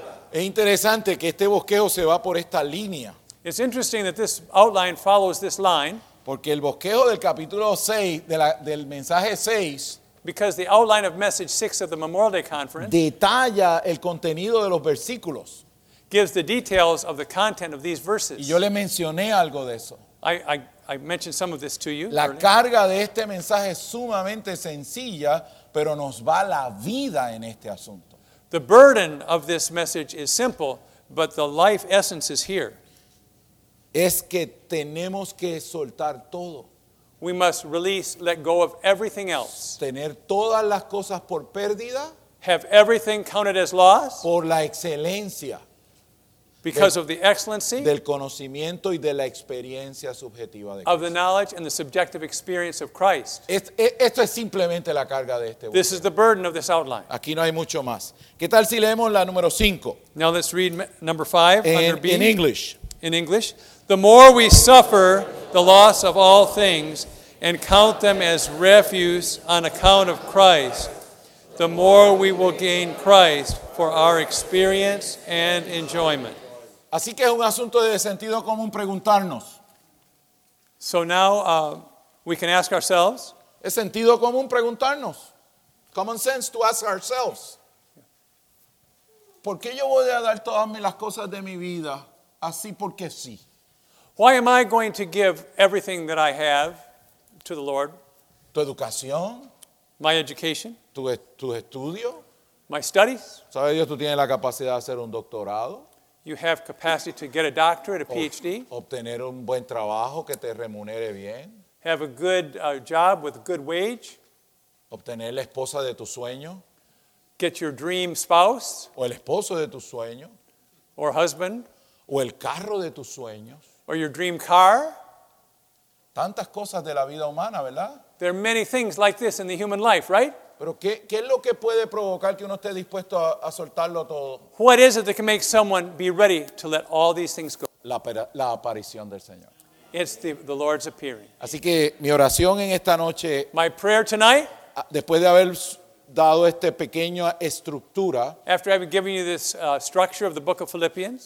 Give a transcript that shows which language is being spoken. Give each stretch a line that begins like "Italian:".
Spanish: Es interesante que este bosquejo se va por esta línea.
English: It's interesting that this outline follows this line.
Spanish: Porque el bosquejo del capítulo 6 de del mensaje 6,
English: because the outline of message 6 of the Memorial Day conference,
Spanish: detalla el contenido de los versículos.
English: Gives the details of the content of these verses.
Spanish: Y yo le mencioné algo de eso.
English: I mentioned some of this to you.
Spanish: La carga de este mensaje es sumamente sencilla, pero nos va la vida en este asunto.
English: The burden of this message is simple, but the life essence is here.
Spanish: Es que tenemos que soltar todo.
English: We must release, let go of everything else.
Spanish: Tener todas las cosas por pérdida.
English: Have everything counted as loss.
Spanish: Por la excelencia.
English: Because of the excellency.
Spanish: Del conocimiento y de la experiencia subjetiva de Cristo.
English: Of the knowledge and the subjective experience of Christ.
Spanish: Esto es simplemente la carga de este.
English: This is the burden of this outline.
Spanish: Aquí no hay mucho más. ¿Qué tal si leemos la número 5?
English: Now let's read number 5 under B. In English. In English. The more we suffer the loss of all things and count them as refuse on account of Christ, the more we will gain Christ for our experience and enjoyment.
Spanish: Así que es un asunto de sentido común preguntarnos.
English: So now we can ask ourselves.
Spanish: Es sentido común preguntarnos.
English: Common sense to ask ourselves.
Spanish: ¿Por qué yo voy a dar todas las cosas de mi vida así porque sí?
English: Why am I going to give everything that I have to the Lord?
Spanish: Tu educación.
English: My education.
Spanish: Tu estudio.
English: My studies.
Spanish: ¿Sabes Dios, tú tienes la capacidad de hacer un doctorado?
English: You have capacity to get a doctorate, a PhD.
Spanish: Obtener un buen trabajo que te remunere bien.
English: Have a good job with a good wage.
Spanish: Obtener la esposa de tu sueño.
English: Get your dream spouse.
Spanish: O el esposo de tu sueño.
English: Or husband.
Spanish: O el carro de tus sueños.
English: Or your dream car.
Spanish: Tantas cosas de la vida humana, ¿verdad?
English: There are many things like this in the human life, right?
Spanish: Pero ¿qué es lo que puede provocar que uno esté dispuesto a soltarlo todo?
English: What is it that can make someone be ready to let all these things go?
Spanish: La aparición del Señor.
English: It's the Lord's appearing.
Spanish: Así que mi oración en esta noche.
English: My prayer tonight.
Spanish: Después de haber dado este pequeño estructura.
English: After I've given you this structure of the book of Philippians.